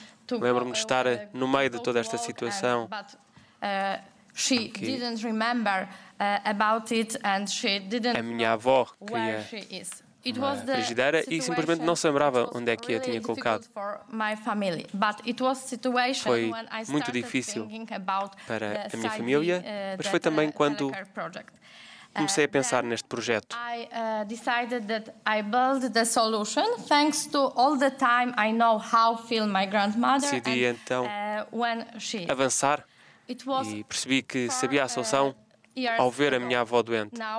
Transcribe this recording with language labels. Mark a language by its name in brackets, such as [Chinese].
[Portuguese] Lembro-me de estar no meio de toda esta situação. [English] She didn't remember about it and she didn't. [Portuguese] A minha avó queria uma frigideira e simplesmente não se lembrava onde é que a tinha colocado. Foi muito difícil para a minha família, mas foi também quando comecei a pensar neste projeto. [English] I decided that I build the solution thanks to all the time I know how feel my grandmother. [Portuguese] Decidi então avançar. E percebi que sabia a solução ao ver a minha avó doente.